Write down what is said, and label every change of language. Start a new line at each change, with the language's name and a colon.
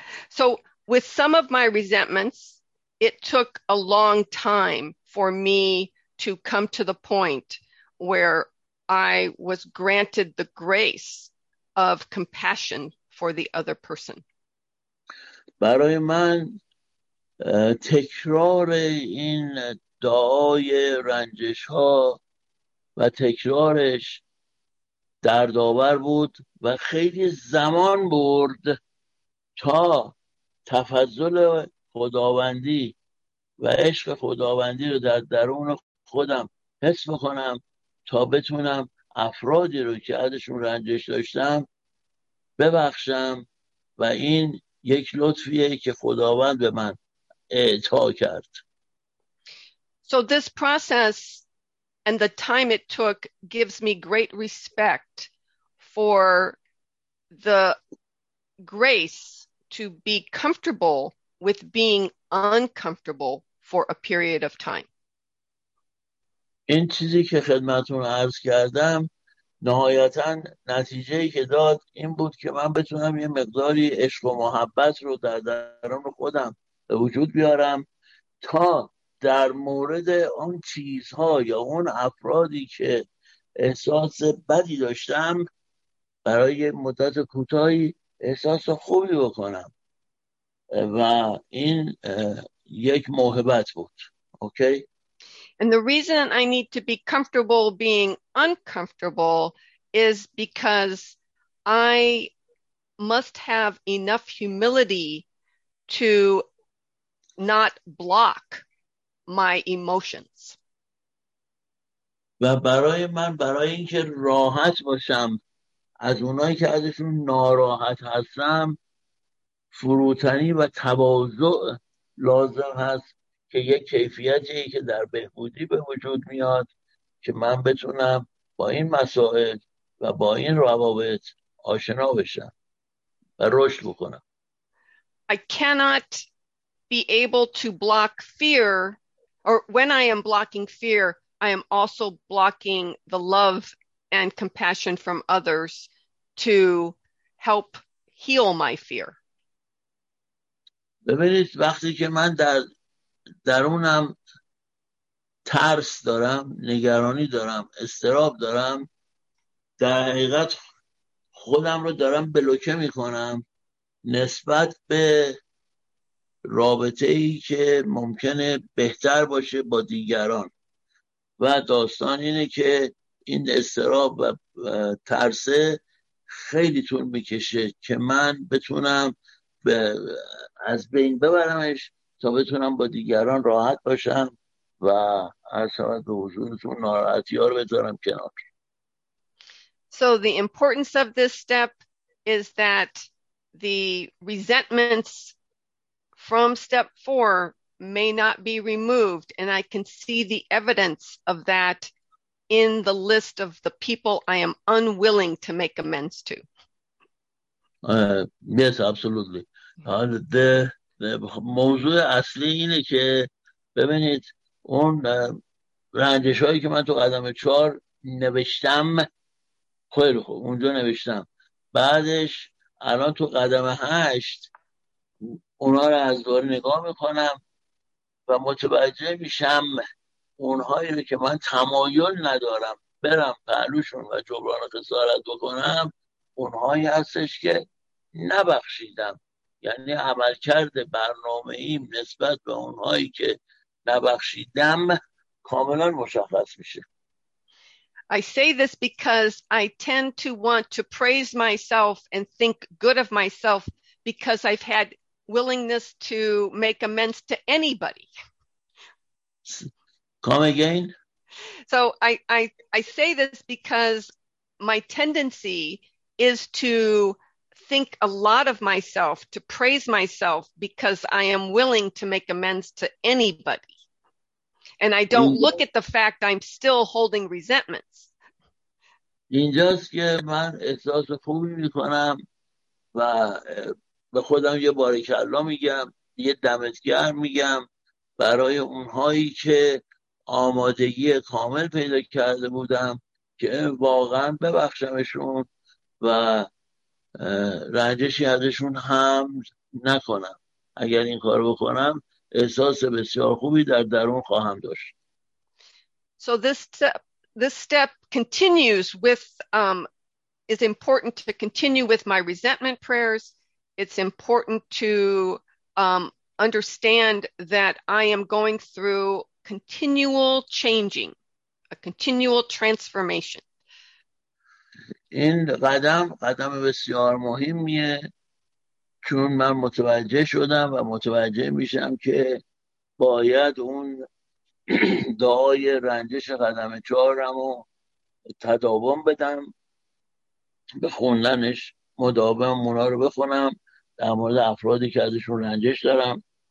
English: So with some of my resentments, it took a long time for me to come to the point where I was granted the grace of compassion for the other person.
Persian: برای من تکرار این دعای رنجش ها و تکرارش دردآور بود و خیلی زمان برد تا تفضل خداوندی و عشق خداوندی رو در درون خودم حس بکنم تا بتونم افرادی رو که ازشون رنجش داشتم ببخشم، و این یک لطفیه که خداوند به من اعطا کرد.
English: So this process and the time it took gives me great respect for the grace to be comfortable with being uncomfortable for a period of time.
Persian: این چیزی که خدمتون عرض کردم نهایتا نتیجه‌ای که داد این بود که من بتونم یه مقداری عشق و محبت رو در درون خودم به وجود بیارم تا در مورد اون چیزها یا اون افرادی که احساس بدی داشتم برای مدت کوتاهی احساس خوبی بکنم، و این یک موهبت بود. اوکی؟
English: And the reason I need to be comfortable being uncomfortable is because I must have enough humility to not block my emotions.
Persian: و برای من برای اینکه راحت باشم از اونایی که ازشون ناراحت هستم فروتنی و تواضع لازم هست که یک کیفیتی که در بهبودی به وجود میاد که من بتونم با این مسائل و با این روابط آشنا بشم و رشد بکنم.
English: I cannot be able to block fear, or when I am blocking fear, I am also blocking the love and compassion from others to help heal my fear.
Persian: ببینید وقتی که من در درونم ترس دارم، نگرانی دارم، استراب دارم، در حقیقت خودم رو دارم بلوکه می کنم نسبت به رابطه ای که ممکنه بهتر باشه با دیگران. و داستان اینه که این استراب و ترسه خیلی طول میکشه که من بتونم از بین ببرمش تا بتونم با دیگران راحت باشم و از شبت به حضورتون ناراحتی ها رو بذارم کنار.
English: So the importance of this step is that the resentments from step four may not be removed, and I can see the evidence of that in the list of the people I am unwilling to make amends to. Yes, absolutely.
Persian: The موضوع اصلی اینه که ببینید اون رنجش هایی که من تو قدم چهار نوشتم، خیلی خوب اونجا نوشتم، بعدش الان تو قدم هشت اونا رو از دور نگاه میکنم و متوجه میشم اونهایی رو که من تمایل ندارم برم پهلوشون و جبران خسارت بکنم، اونهایی هستش که نبخشیدم. یعنی عملکرد برنامه ایم نسبت به اونهایی که نبخشیدم کاملا مشخص میشه.
English: I say this because I tend to want to praise myself and think good of myself because I've had willingness to make amends to anybody. Come again? So I say this because my tendency is to think a lot of myself, to praise myself because I am willing to make amends to anybody. And I don't look at the fact I'm still holding resentments.
Persian: اینجاست که من احساس خوبی میکنم و به خودم یه بارکلا میگم، یه دمتگر میگم برای اونهایی که آمادگی کامل پیدا کرده بودم که واقعا ببخشمشون و رنجشی ازشون هم نکنم. اگر این کار بکنم احساس بسیار خوبی در درون خواهم داشت.
English: So this step continues with is important to continue with my resentment prayers. It's important to understand that I am going through continual changing, a continual transformation.
Persian: این قدم بسیار مهمیه چون من متوجه شدم و متوجه میشم که باید اون دعای رنجش قدم چهارم رو تداوم بدم، به خوندنش مداوم اونا رو بخونم در مورد افرادی که ازشون رنجش دارم،